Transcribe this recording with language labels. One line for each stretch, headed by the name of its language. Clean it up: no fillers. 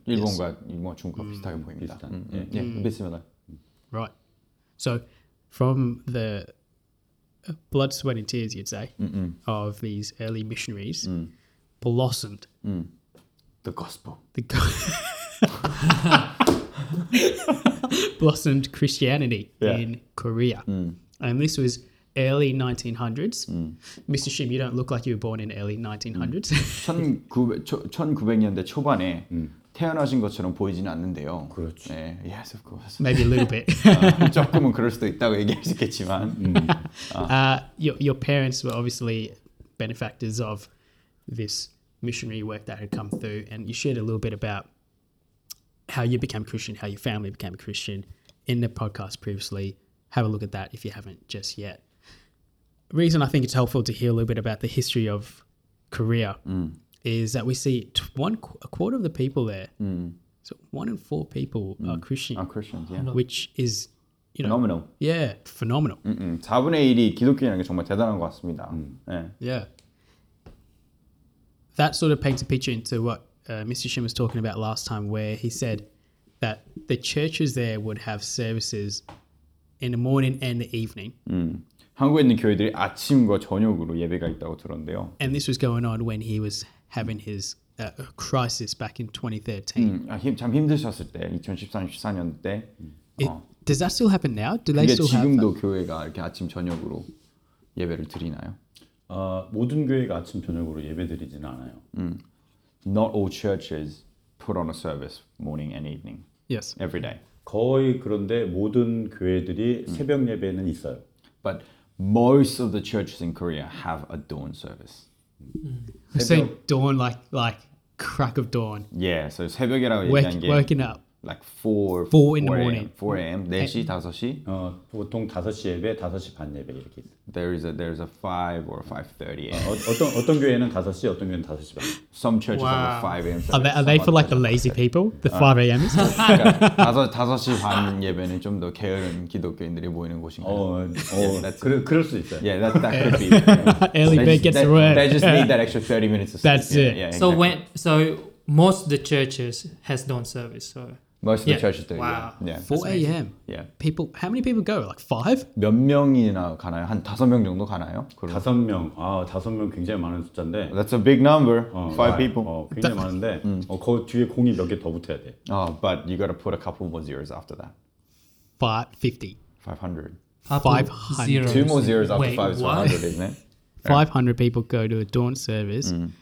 Korean: 일본과 뭐 중국과 비슷하게 보입니다.
English: A bit similar. Right. So from the blood, sweat and tears, you'd say, of these early missionaries blossomed. The gospel. The blossomed Christianity in Korea. And this was early 1900s. Mr. Shim, you don't look like you were born in early 1900s.
Korean: 1900년대 초반에 태어나신 것처럼 보이지는 않는데요. 그렇죠. 네,
English: yes, of course. Maybe a little bit.
Korean: 조금은 그럴 수도 있다고 얘기할 수 있겠지만.
English: Your parents were obviously benefactors of this missionary work that had come through. And you shared a little bit about how you became Christian, how your family became Christian in the podcast previously. Have a look at that if you haven't just yet. Reason I think it's helpful to hear a little bit about the history of Korea is that we see a quarter of the people there, so one in four people are Christian. Are Christians, yeah. Which is, you know. Phenomenal. Yeah, phenomenal.
Korean: 4분의 1이 기독교인이라는 게 정말 대단한 것 같습니다.
English: Yeah. That sort of paints a picture into what Mr. Shim was talking about last time where he said that the churches there would have services in the morning and the evening.
Korean: 한국에 있는 교회들이 아침과 저녁으로 예배가 있다고 들었는데요.
English: And this was going on when he was having his crisis back in 2013.
Korean: 참 힘드셨을 때, 2013-14년 때.
English: Does that still happen now? Do they still have?
Korean: 지금도 교회가 이렇게 아침 저녁으로 예배를 드리나요? 모든 교회가 아침 저녁으로 예배드리진 않아요.
English: Not all churches put on a service morning and evening. Yes. Every day.
Korean: 거의 그런데 모든 교회들이 새벽 예배는 있어요.
English: But most of the churches in Korea have a dawn service. We say dawn like crack of dawn. Yeah, so
Korean: 새벽이라고 얘기한 게
English: waking up like 4 4 in the morning. 4 a.m.
Korean: 4시 5시? 보통 5시 예배, 5시 반 예배 이렇게.
English: There's a 5 or 5:30 a.m.
Korean: 어떤 교회는 5시, 어떤 교회는 5시 반.
English: Some churches have a 5 a.m. Are they for like the lazy people? The 5 a.m.
Korean: 5시 반 예배는 좀 더 게으른 기독교인들이 모이는 곳인가요? 그럴 수 있어요.
English: Yeah, that could be. Yeah. Early bed gets the word. They just need that extra 30 minutes of sleep. That's it. So when most of the churches has dawn service, so most of the churches do. Wow. Yeah. 4 a.m. People. How many people go? Like 5?
Korean: 몇 명이나 가나요? 한 5명 정도 가나요? 그럼. 5명. 아, 5명 굉장히 많은 숫자인데.
English: That's a big number. 5 people.
Korean: 굉장히 많은데. 그 뒤에 공이 몇 개 더 붙어야 돼.
English: But you gotta put a couple more zeros after that. 500. Two more zeros after 5 is 100, isn't it? 500 people go to a dawn service.